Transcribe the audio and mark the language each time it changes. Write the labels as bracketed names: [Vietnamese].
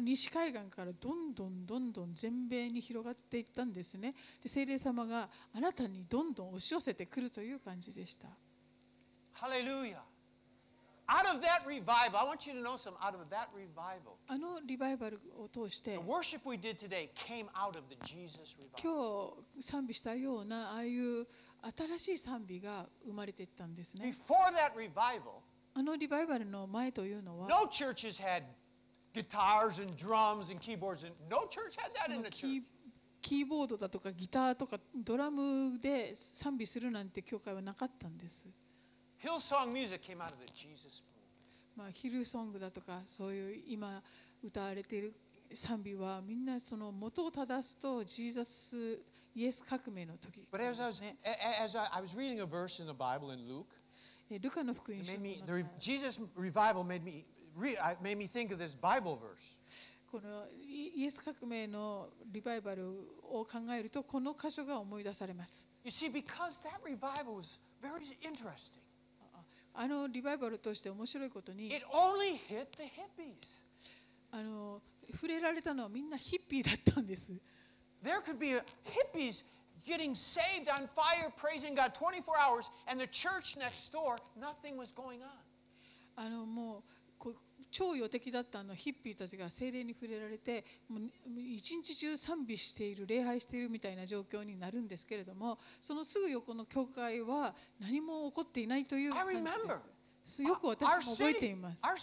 [Japanese] 西海岸からどんどんどんどん全米に広がっていったんですね。で聖霊様があなたにどんどん押し寄せてくるという感じでした。ハレルヤ。 [English] Out of that revival, I want you to know some. Out of that revival, [Japanese] あのリバイバルを通して、 [English] the worship we did today came out of the Jesus revival. [Japanese] 今日賛美したようなああいう新しい賛美が生まれていったんですね。 [English] Before that revival, [Japanese] あのリバイバルの前というのは、 [English] no churches had guitars and drums and keyboards and no church had that in the church. [Japanese] キーボードだとかギターとかドラムで賛美するなんて教会はなかったんです。 [English] ヒルソングミュージック came out of the Jesus movement。 [Japanese] ヒルソングだとかそういう今歌われている賛美はみんなその元を正すとジーザスイエス革命の時ですね。 [English] But as I was reading a verse in the Bible in Luke, [Japanese] ルカの福音書の中で、 [English] Jesus revival made me think of this Bible verse. [Japanese] このイエス革命のリバイバルを考えるとこの箇所が思い出されます。 [English] You see, because that revival was very interesting. [Japanese] あのリバイバルとして面白いことに [English] It only hit the hippies. [Japanese] あの触れられたのはみんなヒッピーだったんです。 [English] There could be hippies getting saved on fire praising God 24 hours and the church next door nothing was going on. [Japanese] あのもう超予的だったあのヒッピーたちが聖霊に触れられて一日中賛美している礼拝しているみたいな状況になるんですけれどもそのすぐ横の教会は何も起こっていないという感じです。よく私も覚えています。